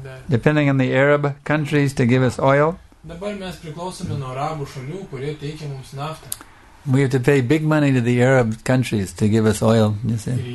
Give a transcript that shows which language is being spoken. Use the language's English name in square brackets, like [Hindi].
[English] Depending on the Arab countries to give us oil. [Lithuanian] Dabar mes priklausome nuo arabų šalių, kurie teikia mums naftą. [English] We have to pay big money to the Arab countries to give us oil, you see.